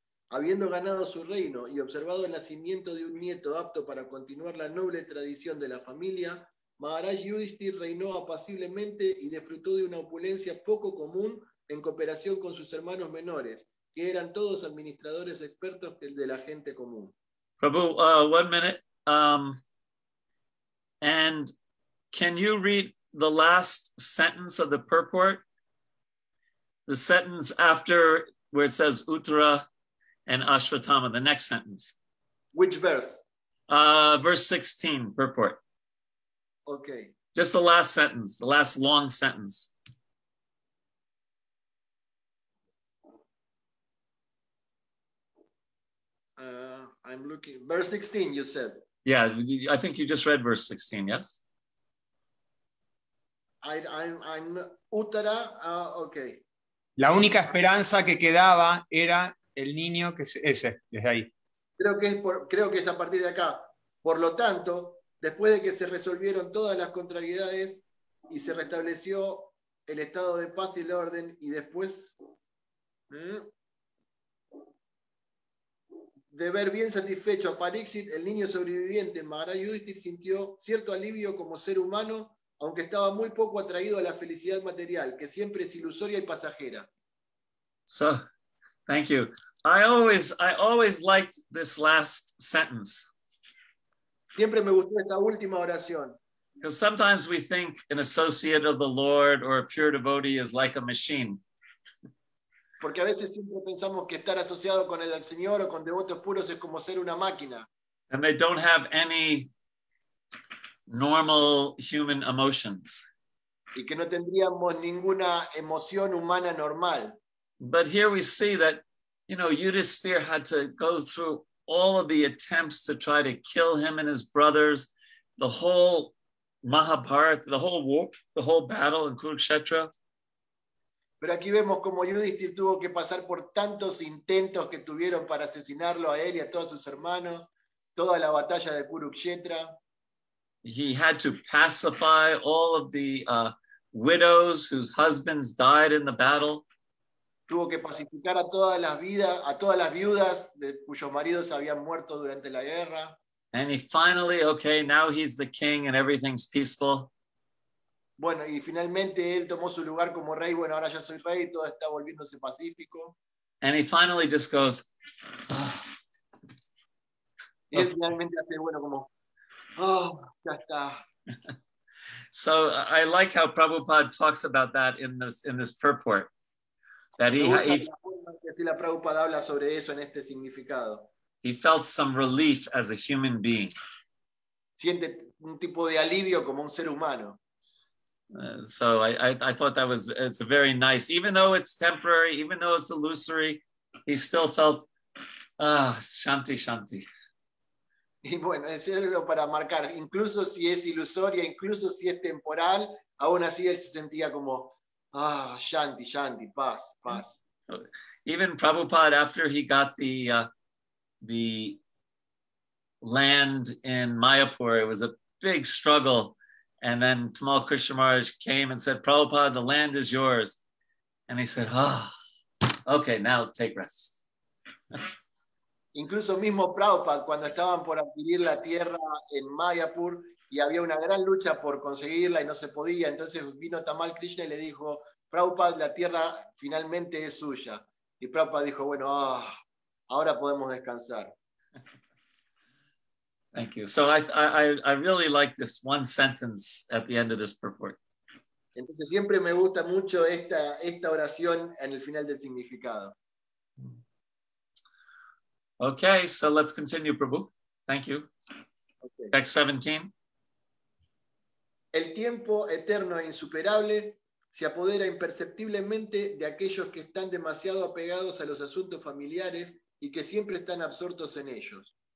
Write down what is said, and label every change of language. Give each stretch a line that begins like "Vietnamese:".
Spanish: Habiendo ganado su reino y observado el nacimiento de un nieto apto para continuar la noble tradición de la familia, Maharaj Yudhishthir reinó apaciblemente y disfrutó de una opulencia poco común en cooperación con sus hermanos menores, que eran todos administradores expertos de la gente común.
English: Prabhu, 1 minute. And can you read the last sentence of the purport? The sentence after where it says Uttara and Ashwatthama, the next sentence. Which verse? Verse 16, purport. Okay. Just the last sentence, the last long sentence. I'm looking, verse 16, you said. Yeah, I think you just read verse 16, yes? I'm Uttara, okay.
Spanish: La única esperanza que quedaba era el niño que es ese, desde ahí. Creo que es a partir de acá. Por lo tanto, después de que se resolvieron todas las contrariedades y se restableció el estado de paz y el orden, y después... De ver bien satisfecho a Parixit, el niño sobreviviente Maharaj Yudhishthir sintió cierto alivio como ser humano, aunque estaba muy poco atraído a la felicidad material, que siempre es ilusoria y pasajera.
English: So, thank you. I always liked this last sentence.
Spanish: Siempre me gustó esta última oración.
English: Because sometimes we think an associate of the Lord or a pure devotee is like a machine.
Spanish: Porque a veces siempre pensamos que estar asociado con el Señor o con devotos puros es como ser una máquina.
English: And they don't have any normal human emotions.
Spanish: Y que no tendríamos ninguna emoción humana normal.
English: But here we see that, you know, Yudhishthir had to go through all of the attempts to try to kill him and his brothers, the whole Mahabharata, the whole war, the whole battle in Kurukshetra.
Spanish: Pero aquí vemos cómo Yudhishthir tuvo que pasar por tantos intentos que tuvieron para asesinarlo a él y a todos sus hermanos, toda la batalla de Kurukshetra.
English: He had to pacify all of the widows whose husbands died in the battle.
Spanish: Tuvo que pacificar a todas las vidas, a todas las viudas de cuyos maridos habían muerto durante la guerra.
English: And he finally, okay, now he's the king and everything's peaceful.
Spanish: Bueno, y finalmente él tomó su lugar como rey. Bueno, ahora ya soy rey y todo está volviéndose pacífico.
English: And he finally just goes.
Spanish: Y él finalmente hace, bueno, como, oh, ya está.
English: So I like how Prabhupada talks about that in this purport. That he
Spanish: la forma que sí la Prabhupada habla sobre eso en este significado.
English: He felt some relief as a human being.
Spanish: Siente un tipo de alivio como un ser humano.
English: So I thought that was, it's a very nice, even though it's temporary, even though it's illusory, he still felt, shanti, shanti.
Spanish: Y bueno, es algo para marcar, incluso si es ilusoria, incluso si es temporal, aún así él se sentía como, shanti, shanti, paz, paz.
English: So, even Prabhupada, after he got the land in Mayapur, it was a big struggle. And then Tamal Krishna Maharaj came and said, Prabhupada, the land is yours. And he said, okay, now take rest.
Spanish: Incluso mismo Prabhupada, cuando estaban por adquirir la tierra en Mayapur, y había una gran lucha por conseguirla y no se podía, entonces vino Tamal Krishna y le dijo, Prabhupada, la tierra finalmente es suya. Y Prabhupada dijo, bueno, ahora podemos descansar.
English: Thank you. So I really like this one sentence at the end of this purport.
Spanish: Entonces siempre me gusta mucho esta oración en el final del significado.
English: Okay, so let's continue, Prabhu. Thank you. Okay. Text 17.
Spanish: El tiempo eterno e insuperable se apodera imperceptiblemente de aquellos que están demasiado apegados a los asuntos familiares y que siempre están absortos en ellos.